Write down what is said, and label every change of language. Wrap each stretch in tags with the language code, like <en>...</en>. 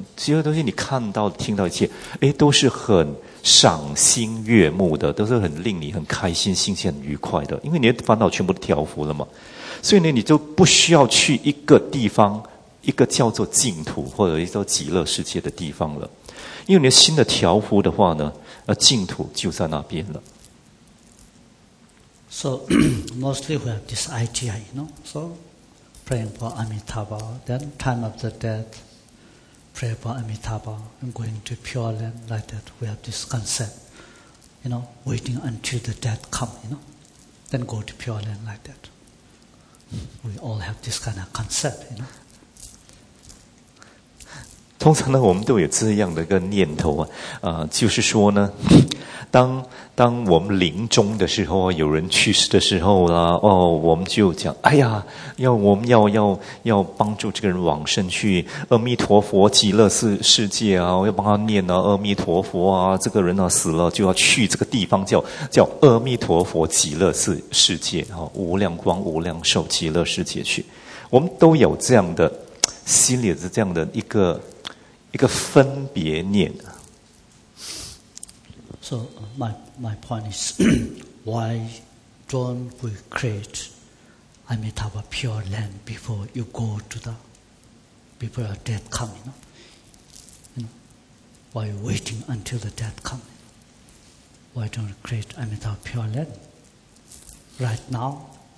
<zh>这些东西你看到、听到一切，哎，都是很赏心悦目的，都是很令你很开心、心情很愉快的，因为你的烦恼全部都调伏了嘛。所以呢，你就不需要去一个地方，一个叫做净土或者一个叫极乐世界的地方了。因为你的心的调伏的话呢，净土就在那边了。</zh> <en>So mostly we have this idea, you know. So praying for Amitabha, then time of the death, pray for Amitabha, and going to pure land like that. We have this concept, you know, waiting until the death come, you know, then go to pure land like that. We all have this kind of concept, you know.</en> <zh>通常呢，我们都有这样的一个念头啊，就是说呢，当我们临终的时候，有人去世的时候啦，哦，我们就讲，哎呀，我们要帮助这个人往生去阿弥陀佛极乐世界啊，要帮他念啊，阿弥陀佛啊，这个人啊死了就要去这个地方叫阿弥陀佛极乐世界啊，无量光无量寿极乐世界去，我们都有这样的心里的这样的一个分别念。</zh> <en>So my point is, why don't we create Amitabha pure land before you go to the before your death come? You know? Why waiting until the death come? Why don't we create Amitabha pure land right now?</en>